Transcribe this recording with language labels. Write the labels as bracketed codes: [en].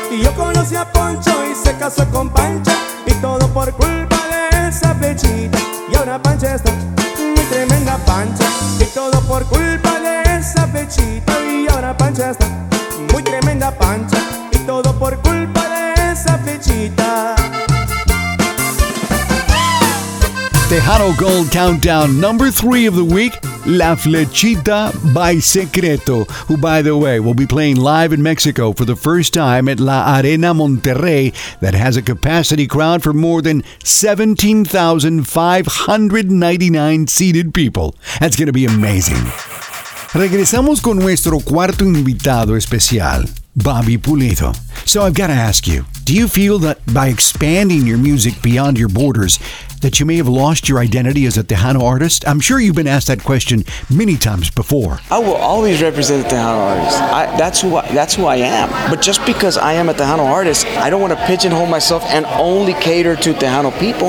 [es] Y yo conocí a Poncho y se casó con Pancha, y todo por culpa de esa flechita. Y ahora Pancha está muy tremenda Pancha, y todo por culpa de esa flechita. Y ahora Pancha está muy tremenda Pancha, y todo por culpa de esa flechita. [en] Tejano Gold Countdown number 3 of the week, La Flechita by Secreto, who, by the way, will be playing live in Mexico for the first time at La Arena Monterrey, that has a capacity crowd for more than 17,599 seated people. That's going to be amazing. [es] Regresamos con nuestro cuarto invitado especial, Bobby Pulido. [en] So I've got to ask you, do you feel that by expanding your music beyond your borders, that you may have lost your identity as a Tejano artist? I'm sure you've been asked that question many times before. I will always represent a Tejano artist. That's who I am. But just because I am a Tejano artist, I don't want to pigeonhole myself and only cater to Tejano people.